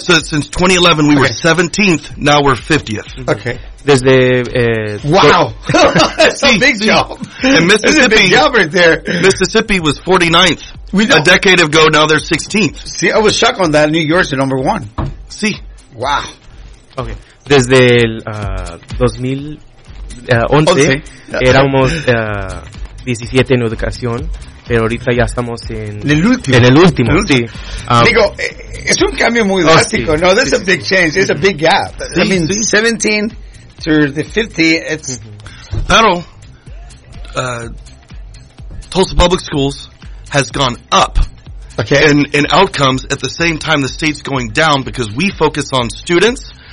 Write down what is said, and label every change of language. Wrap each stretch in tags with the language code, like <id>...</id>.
<en>So since 2011, we were 17th. Now we're 50th. Okay.</en> <es>Desde,</es> <en>wow. That's a big job. And Mississippi, a big job right there. Mississippi was 49th. We a decade ago, now they're 16th. See, I was shocked on that. New York's the number one. See. Wow. Okay.</en> <es>desde el 2011 éramos 17 en educación, pero ahorita ya estamos en el último. En el último, sí. Digo, es un cambio muy drástico, ¿no?</es> <en>That's a big change, it's a big gap. I mean, 17 to the 50, it's... Pero, Tulsa Public Schools has gone up. Okay. In outcomes, at the same time, the state's going down because we focus on students.</en>